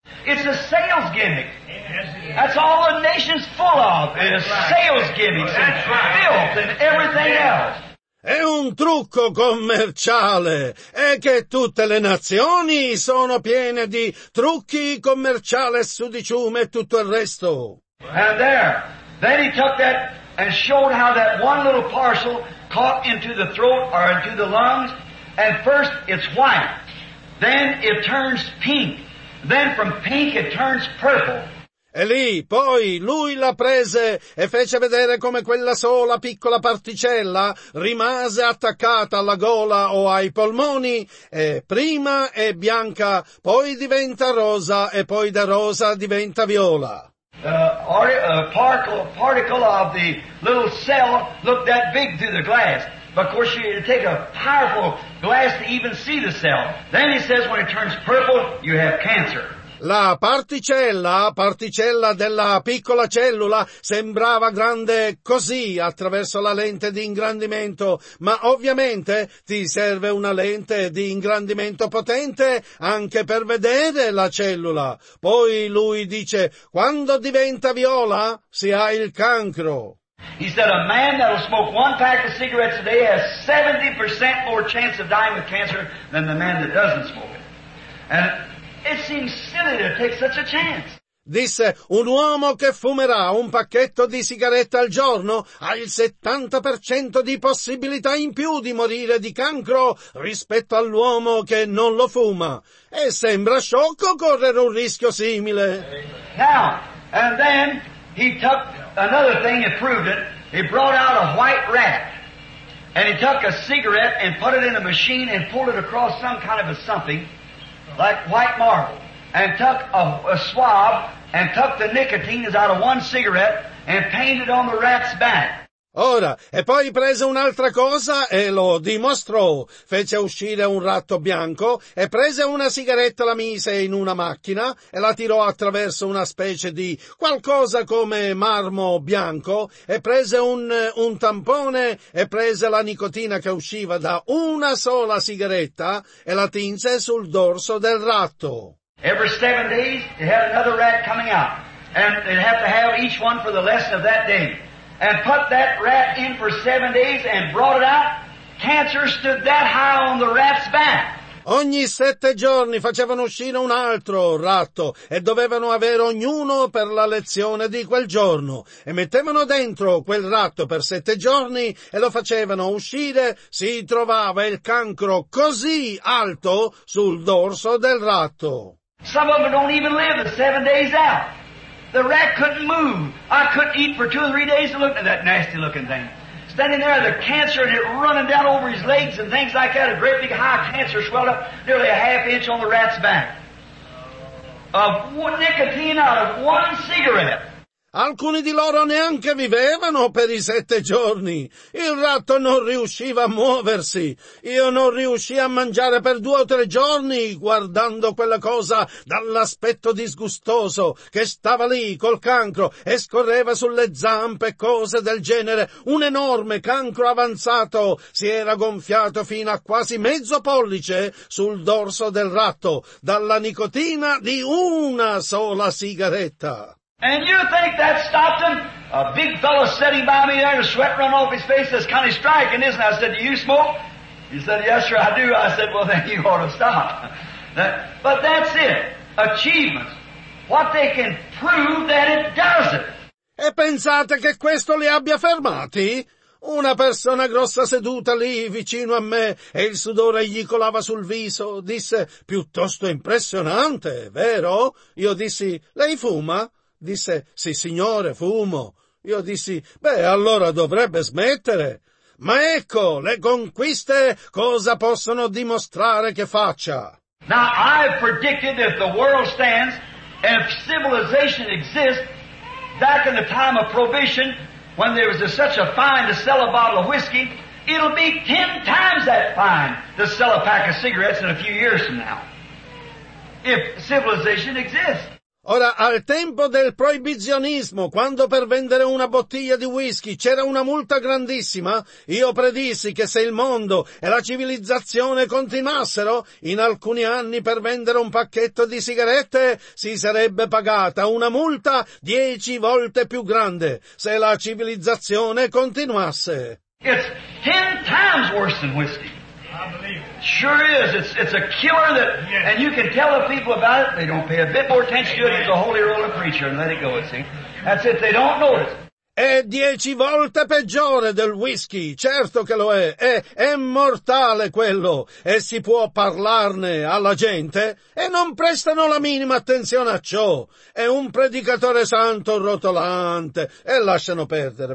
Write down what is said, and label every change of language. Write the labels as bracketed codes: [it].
[en] It's a sales gimmick. That's all the nation's full of. It's sales gimmicks and filth and everything else. [it] È un trucco commerciale, è che tutte le nazioni sono piene di trucchi commerciali, sudiciume e tutto il resto. [en] And there, then he took that and showed how that one little parcel caught into the throat or into the lungs, and first it's white, then it turns pink, then from pink it turns purple. [it] E lì, poi, lui la prese e fece vedere come quella sola piccola particella rimase attaccata alla gola o ai polmoni, e prima è bianca, poi diventa rosa, e poi da rosa diventa viola. [en] A particle of the little cell looked that big through the glass. But of course, you need to take a powerful glass to even see the cell. Then he says when it turns purple, you have cancer. [it] La particella della piccola cellula, sembrava grande così attraverso la lente di ingrandimento, ma ovviamente ti serve una lente di ingrandimento potente anche per vedere la cellula. Poi lui dice, quando diventa viola, si ha il cancro. [en] He said a man that will smoke one pack of cigarettes a day has 70% more chance of dying with cancer than the man that doesn't smoke it. And it seems silly to take such a chance. [it] Disse, un uomo che fumerà un pacchetto di sigarette al giorno ha il 70% di possibilità in più di morire di cancro rispetto all'uomo che non lo fuma. E sembra sciocco correre un rischio simile. [en] Now, and then, he took another thing and proved it. He brought out a white rat. And he took a cigarette and put it in a machine and pulled it across some kind of a something. Like white marble, and took a swab, and took the nicotine out of one cigarette, and painted on the rat's back. [it] Ora, e poi prese un'altra cosa e lo dimostrò. Fece uscire un ratto bianco, e prese una sigaretta, la mise in una macchina, e la tirò attraverso una specie di qualcosa come marmo bianco, e prese un tampone, e prese la nicotina che usciva da una sola sigaretta, e la tinse sul dorso del ratto. [en] Every 7 days, it had another rat coming out. And it had to have each one for the lesson of that day. And put that rat in for 7 days and brought it out. Cancer stood that high on the rat's back. [it] Ogni 7 giorni facevano uscire un altro ratto e dovevano avere ognuno per la lezione di quel giorno. E mettevano dentro quel ratto per 7 giorni e lo facevano uscire. Si trovava il cancro così alto sul dorso del ratto. [en] Some of them don't even live the 7 days out. The rat couldn't move. I couldn't eat for 2 or 3 days to look at that nasty looking thing. Standing there, the cancer and it running down over his legs and things like that. A great big high cancer swelled up nearly a half inch on the rat's back. Of one nicotine out of one cigarette. [it] Alcuni di loro neanche vivevano per i 7 giorni. Il ratto non riusciva a muoversi. Io non riuscii a mangiare per 2 o 3 giorni guardando quella cosa dall'aspetto disgustoso che stava lì col cancro e scorreva sulle zampe, cose del genere. Un enorme cancro avanzato si era gonfiato fino a quasi 1/2 pollice sul dorso del ratto dalla nicotina di una sola sigaretta. [en] And you think that stopped him? A big fellow sitting by me there, sweat running off his face, says, "Connie, striking, isn't it?" I said, "Do you smoke?" He said, "Yes, sir, I do." I said, "Well, then you ought to stop." But that's it. Achievements. What they can prove that it does it. [it] E pensate che questo li abbia fermati? Una persona grossa seduta lì vicino a me e il sudore gli colava sul viso disse, "Piuttosto impressionante, vero?" Io dissi, "Lei fuma?" Disse, "Sì, signore, fumo." Io dissi, "Beh, allora dovrebbe smettere." Ma ecco, le conquiste cosa possono dimostrare che faccia? [en] Now, I've predicted if the world stands, and if civilization exists, back in the time of prohibition, when there was such a fine to sell a bottle of whiskey, it'll be 10 times that fine to sell a pack of cigarettes in a few years from now. If civilization exists. [it] Ora, al tempo del proibizionismo, quando per vendere una bottiglia di whisky c'era una multa grandissima, io predissi che se il mondo e la civilizzazione continuassero, in alcuni anni per vendere un pacchetto di sigarette si sarebbe pagata una multa 10 volte più grande se la civilizzazione continuasse. [en] It's 10 times worse than whisky. Sure is. It's a killer that, yes. And you can tell the people about it. They don't pay a bit more attention to it. It's a holy roller preacher and let it go. It seems that's it. They don't notice. [it] È 10 volte peggiore del whisky, certo che lo è. È mortale quello e si può parlarne alla gente e non prestano la minima attenzione a ciò. È un predicatore santo rotolante e lasciano perdere.